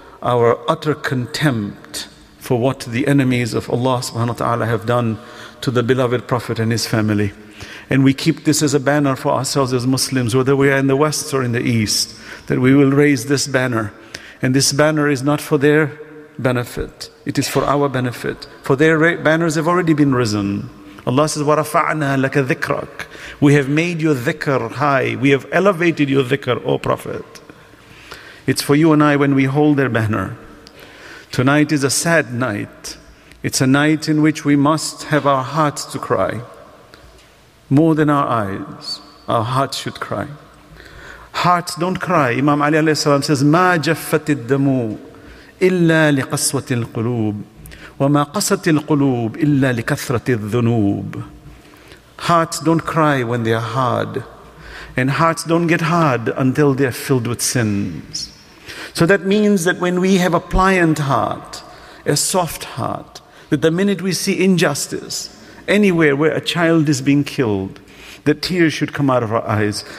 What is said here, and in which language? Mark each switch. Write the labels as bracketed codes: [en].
[en] our utter contempt for what the enemies of Allah subhanahu wa ta'ala have done to the beloved Prophet and his family. And we keep this as a banner for ourselves as Muslims, whether we are in the West or in the East, that we will raise this banner. And this banner is not for their benefit. It is for our benefit. For their banners have already been risen. Allah says, [ar] وَرَفَعْنَا لَكَ ذِكْرَكَ. [en] We have made your dhikr high. We have elevated your dhikr, O Prophet. It's for you and I when we hold their banner. Tonight is a sad night. It's a night in which we must have our hearts to cry. More than our eyes, our hearts should cry. Hearts don't cry. Imam Ali alayhi salam says, [ar] مَا جَفَّتِ الدَّمُ إِلَّا لِقَسْوَةِ الْقُلُوبِ وَمَا قَسَتِ الْقُلُوبِ إِلَّا لِكَثْرَةِ الذُّنُوبِ. [en] Hearts don't cry when they are hard. And hearts don't get hard until they are filled with sins. So that means that when we have a pliant heart, a soft heart, that the minute we see injustice, anywhere where a child is being killed, the tears should come out of our eyes.